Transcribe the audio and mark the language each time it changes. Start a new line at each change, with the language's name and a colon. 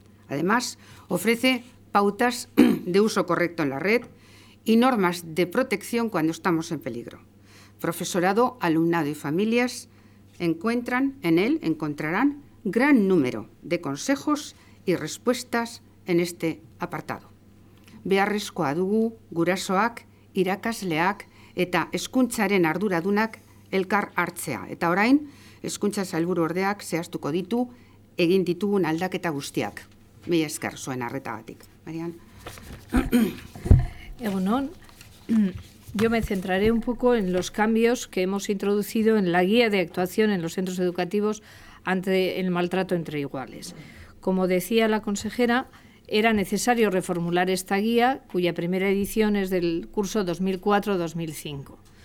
Spanish: Además, ofrece pautas de uso correcto en la red y normas de protección cuando estamos en peligro. Profesorado, alumnado y familias encontrarán gran número de consejos y respuestas en este apartado.
Basque: Beharrezkoa dugu gurasoak, irakasleak eta hezkuntzaren arduradunak elkar hartzea. Eta orain, hezkuntza sailburuordeak zehaztuko ditu egin ditugun aldaketa guztiak. Mila esker zuen arretagatik. Marian. Egunon,
Spanish: yo me centraré un poco en los cambios que hemos introducido en la guía de actuación en los centros educativos ante el maltrato entre iguales. Como decía la consejera, era necesario reformular esta guía, cuya primera edición es del curso 2004-2005.